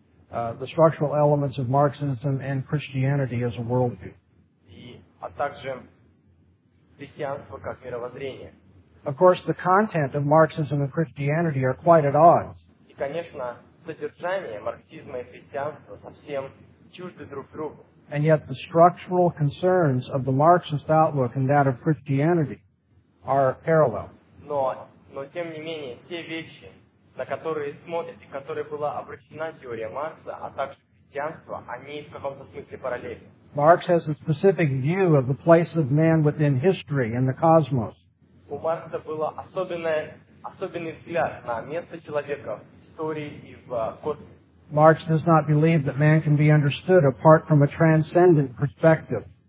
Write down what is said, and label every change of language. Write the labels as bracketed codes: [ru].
[en] The structural elements of Marxism and Christianity as a worldview. [ru] А также христианство как мировоззрение. [en] Of course, the content of Marxism and Christianity are quite at odds. [ru] И, конечно, содержание марксизма и христианства совсем чужды друг другу. [en] And yet the structural concerns of the Marxist outlook and that of Christianity are parallel. [ru] Но тем не менее, те вещи, на которые смотрят и к которой была обращена теория Маркса, а также христианство, они в каком-то смысле параллельны. [en] Marx has a specific view of the place of man within history and the cosmos. [ru] У Маркса был особенный взгляд на место человека в истории и в космосе. [en] Marx does not believe that man can be understood apart from a transcendent perspective.